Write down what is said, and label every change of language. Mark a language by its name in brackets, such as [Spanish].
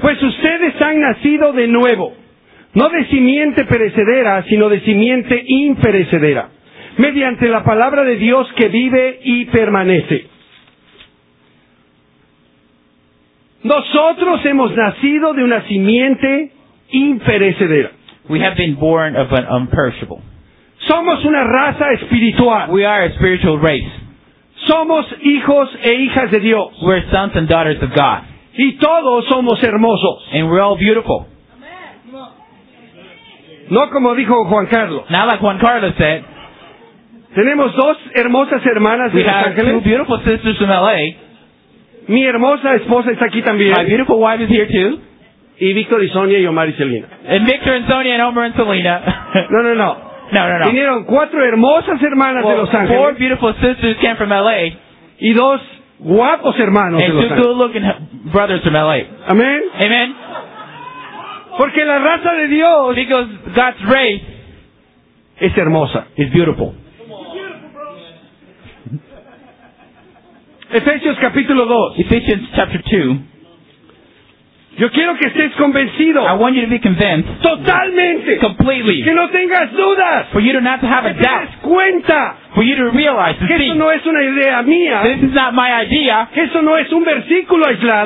[Spanish] Pues ustedes han nacido de nuevo, no de simiente perecedera, sino de simiente imperecedera, mediante la palabra de Dios que vive y permanece. Nosotros hemos nacido de una simiente imperecedera. [English] We have been born of an imperishable. [Spanish] Somos una raza espiritual. [English] We are a spiritual race. [Spanish] Somos hijos e hijas de Dios. [English] We're sons and daughters of God. [Spanish] Y todos somos hermosos. [English] And we're all beautiful. [Spanish] No como dijo Juan Carlos. [English] Not like Juan Carlos said. [Spanish] Tenemos dos hermosas hermanas de Los Ángeles. [English] We have two beautiful sisters from L.A. [Spanish] Mi hermosa esposa está aquí también. [English] My beautiful wife is here too. [Spanish] Y Victor y Sonia y Omar y Selena. [English] And Victor and Sonia and Omar and Selena. [Spanish] No, no, no. [English] No, no, no. [Spanish] Vinieron cuatro hermosas hermanas [English] well, [Spanish] de Los Ángeles. [English] Four beautiful sisters came from L.A. [Spanish] Y dos guapos hermanos [English] and [Spanish] de Los Ángeles. [English] And two good-looking brothers from L.A. Amen. Amen. [Spanish] Porque la raza de Dios, [English] because God's race, [Spanish] es hermosa. [English] Is beautiful. [Spanish] Efesios capítulo 2. [English] Ephesians chapter 2. [Spanish] Yo quiero que estés convencido. [English] I want you to be convinced. [Spanish] Totalmente. [English] Completely. [Spanish] Que no tengas dudas. [English] For you to not to have a doubt. [Spanish] Que te des cuenta. [English] For you to realize [Spanish] que esto no es una idea mía. [English] This is not my idea. [Spanish] Que esto no es un versículo aislado.